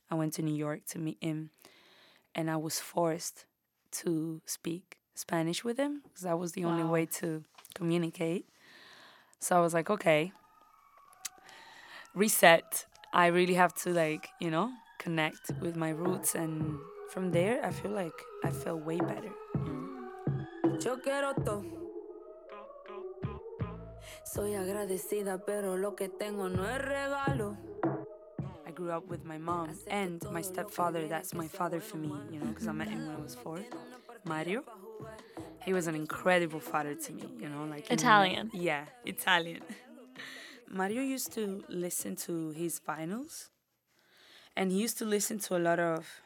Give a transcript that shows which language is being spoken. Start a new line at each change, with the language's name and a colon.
English: I went to New York to meet him. And I was forced to speak Spanish with him because that was the only way to communicate. So I was like, okay, reset. I really have to, like, you know, connect with my roots. And from there, I feel like I feel way better.
Spanish: Yo quiero todo. Soy agradecida, pero lo que tengo no es regalo.
English: I grew up with my mom and my stepfather. That's my father for me, you know, because I met him when I was 4. Mario. He was an incredible father to me, you know, like... Italian. Yeah, Italian. Mario used to listen to his vinyls, and he used to listen to a lot of...